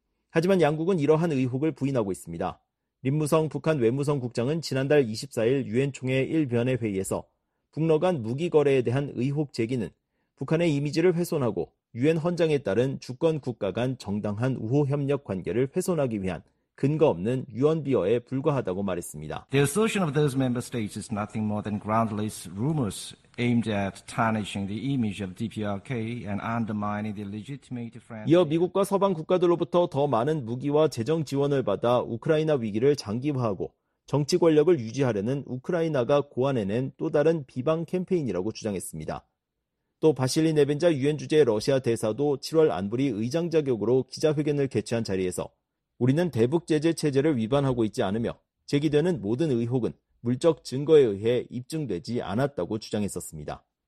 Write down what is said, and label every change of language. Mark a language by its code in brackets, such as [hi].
[ko] 하지만 양국은 이러한 의혹을 부인하고 있습니다. 림무성 북한 외무성 국장은 지난달 24일 유엔 총회 1변의 회의에서 북러 간 무기 거래에 대한 의혹 제기는 북한의 이미지를 훼손하고 유엔 헌장에 따른 주권 국가 간 정당한 우호 협력 관계를 훼손하기 위한 근거 없는 유언 비어에 불과하다고 말했습니다. [en] The assertion of those member states is nothing more than groundless rumors aimed at tarnishing the image of DPRK and undermining the legitimate friend. [ko] 이어 미국과 서방 국가들로부터 더 많은 무기와 재정 지원을 받아 우크라이나 위기를 장기화하고 정치 권력을 유지하려는 우크라이나가 고안해낸 또 다른 비방 캠페인이라고 주장했습니다. 또 바실리 네벤자 유엔 주재 러시아 대사도 7월 안보리 의장 자격으로 기자회견을 개최한 자리에서 우리는 대북 제재 체제를 위반하고 있지 않으며 제기되는 모든 의혹은 물적 증거에 의해 입증되지 않았다고 주장했었습니다.